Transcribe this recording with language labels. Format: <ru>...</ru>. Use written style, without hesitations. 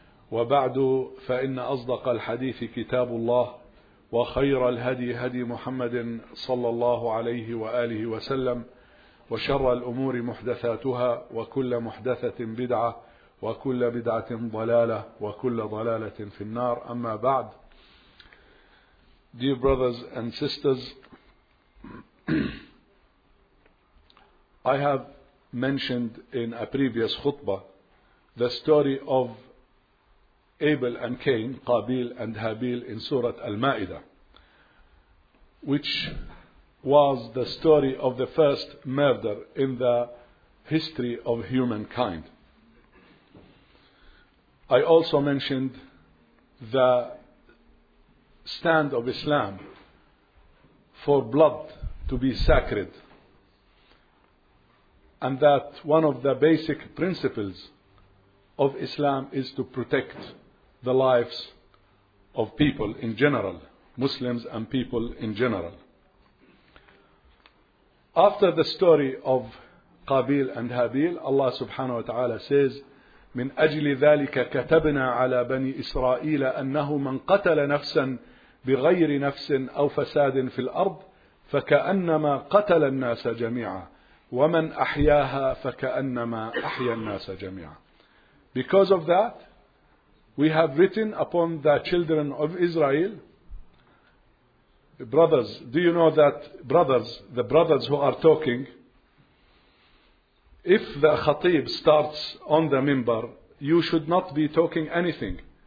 <ar>وبعد، فإن أصدق الحديث كتاب الله، وخير الهدي هدي محمد صلى الله عليه وآله وسلم، وشر الأمور محدثاتها، وكل محدثة بدعة، وكل بدعة ضلالة، وكل ضلالة في النار. أما بعد،</ar> <en>Dear brothers and sisters, I have mentioned in a previous khutbah the story of Abel and Cain, Qabil and Habil, in Surah Al-Ma'idah, which was the story of the first murder in the history of humankind. I also mentioned the stand of Islam for blood to be sacred, and that one of the basic principles of Islam is to protect the lives of people in general, Muslims and people in general. After the story of Qabil and Habil, Allah subhanahu wa ta'ala says,</en> <ar>من أجل ذلك كتبنا على بني إسرائيل أنه من قتل نفسا بغير نفس أو فساد في الأرض فكأنما قتل الناس جميعا ومن أحياها فكأنما أحيا الناس جميعا.</ar> <en>Because of that, we have written upon the children of Israel, brothers, do you know that brothers, the brothers who are talking, if the khatib starts on the minbar, you should not be talking anything.</en>